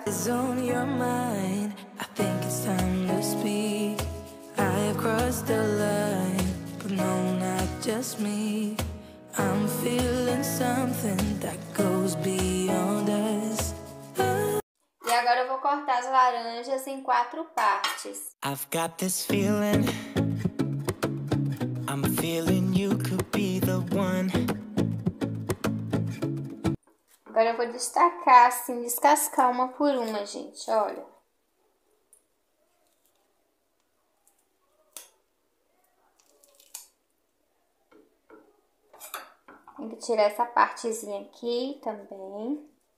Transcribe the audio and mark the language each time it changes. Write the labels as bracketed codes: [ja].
[pt] E agora eu vou cortar as laranjas em quatro partes. [en] I've got this feeling. I'm feeling you could be the one. [pt] Agora eu vou destacar assim, descascar uma por uma, gente. Olha. Tem que tirar essa partezinha aqui também.